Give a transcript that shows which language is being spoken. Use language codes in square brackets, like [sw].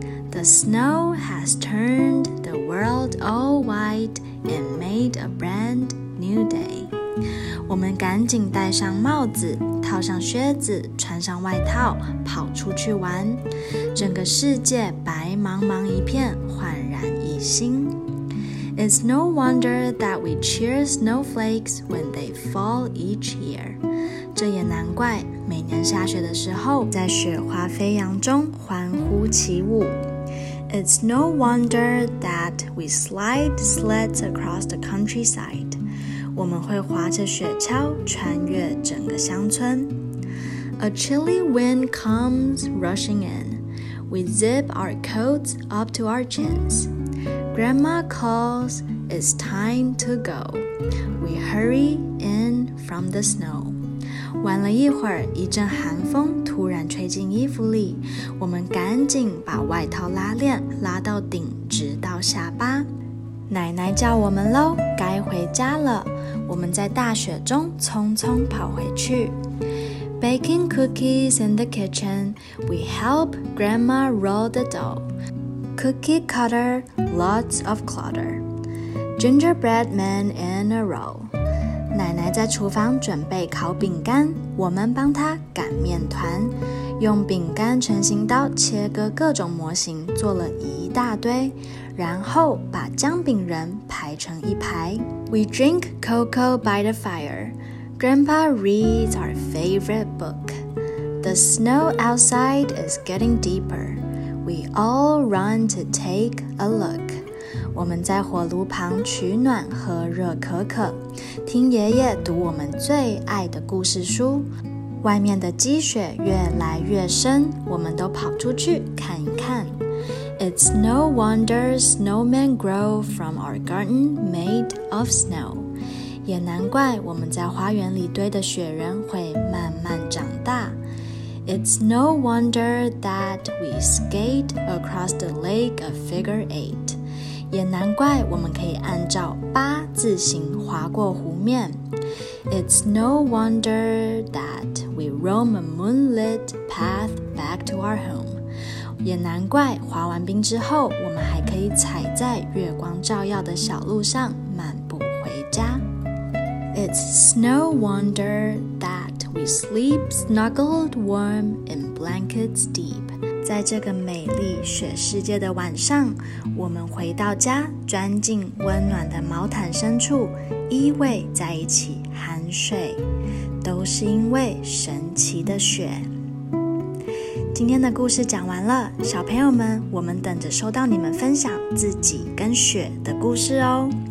[en] The snow has turned the world all white and made a brand new day. [zh] 我们赶紧戴上帽子，套上靴子，穿上外套，跑出去玩。整个世界白茫茫一片，焕然一新。 [en] It's no wonder that we cheer snowflakes when they fall each year. [zh] 这也难怪，每年下雪的时候，在雪花飞扬中欢呼起舞。 [en] It's no wonder that we slide sleds across the countryside. [zh] 我们会滑着雪橇穿越整个乡村。 [en] A chilly wind comes rushing in. We zip our coats up to our chins. Grandma calls, it's time to go. We hurry in from the snow. [zh] 玩了一会儿，一阵寒风突然吹进衣服里，我们赶紧把外套拉链拉到顶，直到下巴。奶奶叫我们喽，该回家了。我们在大雪中匆匆跑回去。 [en] Baking cookies in the kitchen, we help Grandma roll the dough. Cookie cutter, lots of clutter. Gingerbread man in a row. [zh] 奶奶在厨房准备烤饼干，我们帮她擀面团，用饼干成型刀切割各种模型，做了一大堆，然后把姜饼人排成一排。 [en] We drink cocoa by the fire. Grandpa reads our favorite book. The snow outside is getting deeper. We all run to take a look. [zh] 我们在火炉旁取暖，喝热可可，听爷爷读我们最爱的故事书。外面的积雪越来越深，我们都跑出去看一看。 [en] It's no wonder snowmen grow from our garden made of snow. [zh] 也难怪我们在花园里堆的雪人会慢慢长大。 [en] It's no wonder that we skate across the lake of figure eight. [zh] 也难怪我们可以按照八字形划过湖面。 [en] It's no wonder that we roam a moonlit path back to our home. [zh] 也难怪滑完冰之后，我们还可以踩在月光照耀的小路上漫步回家。 [en] It's no wonder that we sleep snuggled warm in blankets deep. [zh] 在这个美丽雪世界的晚上，我们回到家，钻进温暖的毛毯深处，依偎在一起酣睡，都是因为神奇的雪。今天的故事讲完了，小朋友们，我们等着收到你们分享自己跟雪的故事哦。